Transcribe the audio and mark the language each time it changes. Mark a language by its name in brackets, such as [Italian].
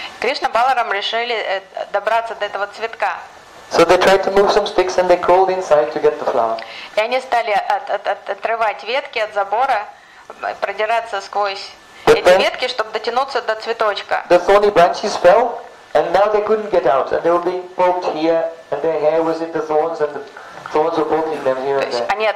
[Russian] Кришна Баларам решили добраться до этого цветка. [English] So they tried to move some sticks and they crawled inside to get the flower. [Russian] И они стали отрывать ветки от забора, продираться сквозь эти ветки, чтобы дотянуться до цветочка. [English] The thorny branches fell and now they couldn't get out and they were being poked here and their hair was in the thorns and the thorns were poking them here and there.